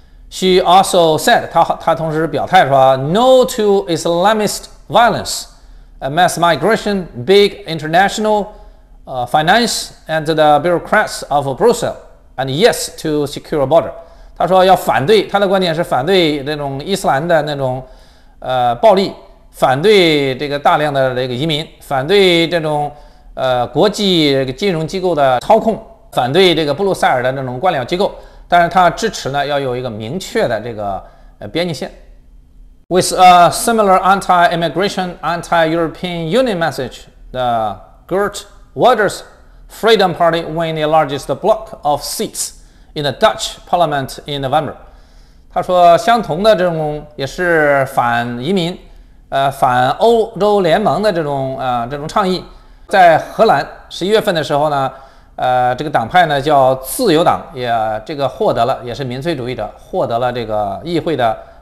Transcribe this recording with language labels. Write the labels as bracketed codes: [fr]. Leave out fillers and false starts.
[en] She also said, [zh] 她同时表态说 [en] ,No to Islamist violence, mass migration, big international finance, and the bureaucrats of Brussels, and yes to secure border. [zh] 她说要反对，她的观点是反对这种伊斯兰的那种暴力，反对这个大量的这个移民，反对这种国际这个金融机构的操控。反对这个布鲁塞尔的那种官僚机构，但是他支持呢要有一个明确的这个边界线。 [en] With a similar anti-immigration, anti-European Union message, the Geert Wilders Freedom Party won the largest block of seats in the Dutch Parliament in November. [zh] 他说相同的这种也是反移民，反欧洲联盟的这种倡议，在荷兰11月份的时候呢。这个党派呢叫自由党，也这个获得了，也是民粹主义者获得了这个议会的